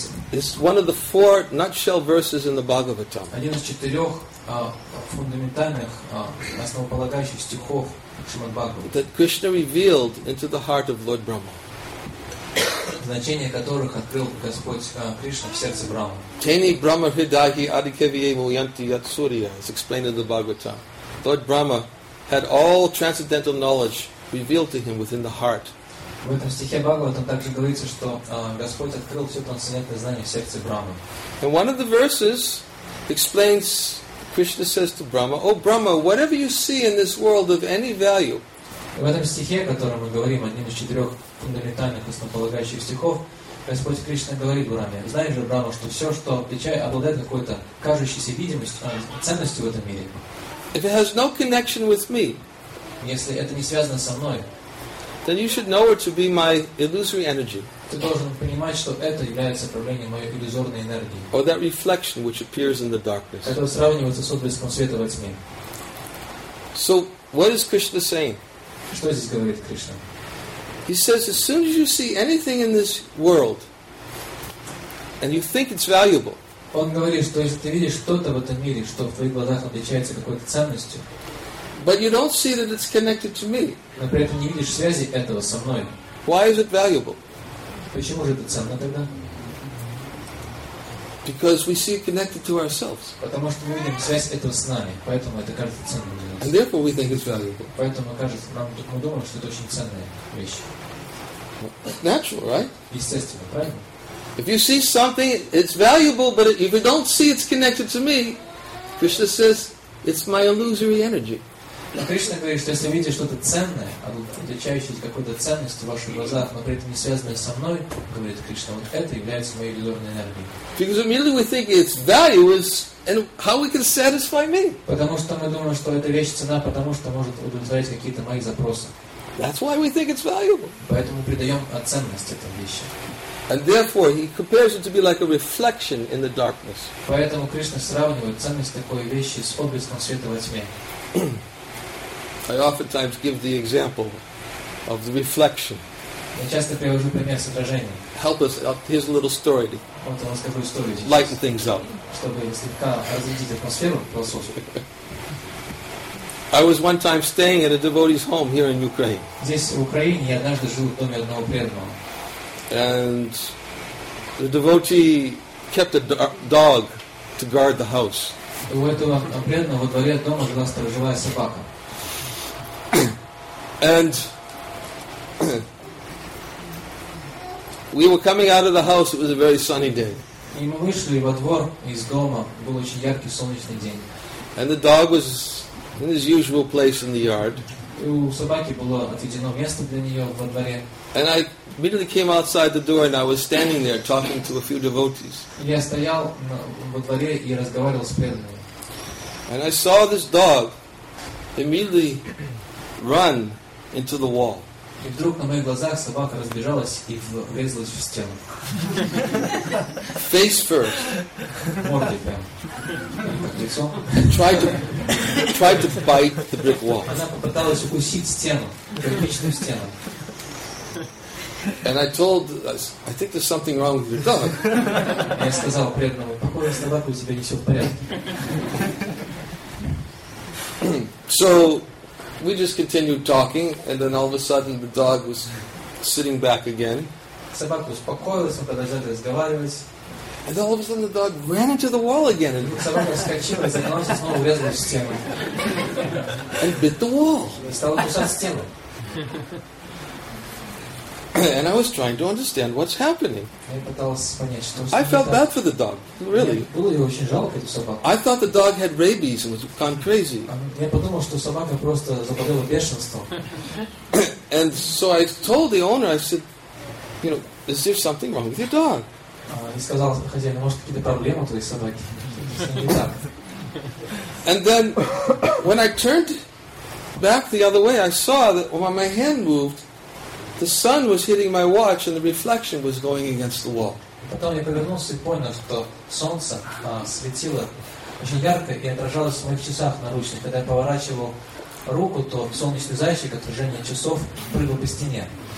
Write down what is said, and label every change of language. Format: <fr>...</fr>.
<en>It's one of the four nutshell verses in the Bhagavatam. That Krishna revealed into the heart of Lord Brahma.</en> <ru>Значение которых открыл Господь Кришна в сердце Брахмы.</ru> <sa>Тени Брахма хидахи адикевие муянти ятсурия,</sa> <en>as explained in the Bhagavatam. Lord Brahma had all transcendental knowledge revealed to him within the heart.</en> <ru>В этом стихе Бхагаватам также говорится, что Господь открыл все трансцендентное знание в сердце Брахмы.</ru> <en>And one of the verses explains, Krishna says to Brahma, "O Brahma, whatever you see in this world of any value."</en> <ru>В этом стихе, о котором мы говорим, одним из четырех фундаментальных основополагающих стихов, Господь Кришна говорит Браме: знаешь же, Брама, что все, что обладает какой-то кажущейся видимостью, ценностью в этом мире,</ru> <en>if it has no connection with me,</en> <ru>если это не связано со мной,</ru> <en>then you should know it to be my illusory energy.</en> <ru>Ты должен понимать, что это является проявлением моей иллюзорной энергии.</ru> <en>Or that reflection which appears in the darkness.</en> <ru>Это сравнивается с отблеском света во тьме.</ru> <en>So, what is Krishna saying?</en> <ru>Что здесь говорит Кришна?</ru> <en>He says, as soon as you see anything in this world, and you think it's valuable,</en> <ru>он говорит, что если ты видишь что-то в этом мире, что в твоих глазах отличается какой-то ценностью,</ru> <en>but you don't see that it's connected to me,</en> <ru>но при этом не видишь связи этого со мной,</ru> <en>why is it valuable?</en> <ru>Почему же это ценно тогда?</ru> <en>Because we see it connected to ourselves.</en> <ru>Потому что мы видим связь этого с нами, поэтому это кажется ценным для нас.</ru> <en>And therefore we think it's valuable.</en> <ru>Поэтому кажется нам, мы думаем, что это очень ценная вещь.</ru> <en>Natural, right?</en> <ru>Естественно, правильно?</ru> <en>If you see something, it's valuable, but if you don't see it's connected to me, Krishna says, it's my illusory energy.</en> <ru>Кришна говорит, что если видите что-то ценное, отличающееся какой-то ценностью в ваших глазах, но при этом не связанное со мной, говорит Кришна, вот это является моей иллюзорной энергией.</ru> <en>Because immediately we think its value is and how we can satisfy me.</en> <ru>Потому что мы думаем, что эта вещь цена, потому что может удовлетворить какие-то мои запросы.</ru> <en>That's why we think it's valuable.</en> <ru>Поэтому мы придаем ценность этой вещи.</ru> <en>And therefore he compares it to be like a reflection in the darkness.</en> <ru>Поэтому Кришна сравнивает ценность такой вещи с отблеском света во тьме.</ru> <en>I oftentimes give the example of the reflection.</en> <ru>Я часто привожу пример с отражением.</ru> <en>Help us. Here's a little story.</en> <ru>Вот у нас какую историю здесь.</ru> <en>Lighten things up.</en> <ru>Чтобы слегка разрядить атмосферу философскую.</ru> <en>I was one time staying at a devotee's home here in Ukraine.</en> <ru>Здесь в Украине я однажды жил в доме одного преданного.</ru> <en>And the devotee kept a dog to guard the house.</en> <ru>У этого преданного во дворе дома жила сторожевая собака.</ru> <en>And we were coming out of the house, it was a very sunny day.</en> <ru>И мы вышли во двор из дома, был очень яркий солнечный день.</ru> <en>And the dog was in his usual place in the yard.</en> <ru>И у собаки было отведено место для нее во дворе.</ru> <en>And I immediately came outside the door and I was standing there talking to a few devotees.</en> <ru>Я стоял во дворе и разговаривал с преданными.</ru> <en>And I saw this dog immediately run into the wall.</en> <ru>И вдруг на моих глазах собака разбежалась и врезалась в стену.</ru> <en>Face first.</en> <ru>Мордой прям. Лицо.</ru> <en>Tried to bite the brick wall.</en> <ru>Она попыталась укусить стену, кирпичную стену.</ru> <en>And I told, I think there's something wrong with your dog.</en> <ru>Я сказал преданному, похоже, собака у тебя не все в порядке.</ru> <en>So we just continued talking, and then all of a sudden the dog was sitting back again.</en> <ru>Собака успокоилась, мы продолжали разговаривать.</ru> <en>And all of a sudden the dog ran into the wall again. And</en> <ru>собака вскочила, загналась и снова врезалась в стену.</ru> <en>And bit the wall.</en> <ru>И стала кусать стену.</ru> <en>And I was trying to understand what's happening.</en> <ru>Я пыталась понять, что.</ru> <en>I felt bad for the dog, really.</en> <ru>Было ей очень жалко эту собаку.</ru> <en>I thought the dog had rabies and was gone crazy.</en> <ru>Я подумал, что собака просто заболела бешенством.</ru> <en>And so I told the owner, I said, you know, is there something wrong with your dog?</en> <ru>И сказал хозяин, может какие-то проблемы у твоей собаки?</ru> <en>And then when I turned back the other way, I saw that when my hand moved. The sun was hitting my watch, and the reflection was going against the wall.</en> <ru>Потом я повернулся и понял, что солнце светило очень ярко и отражалось в моих часах наручных. Когда я поворачивал руку, то солнечный зайчик, отражение часов, прыгал по стене.</ru>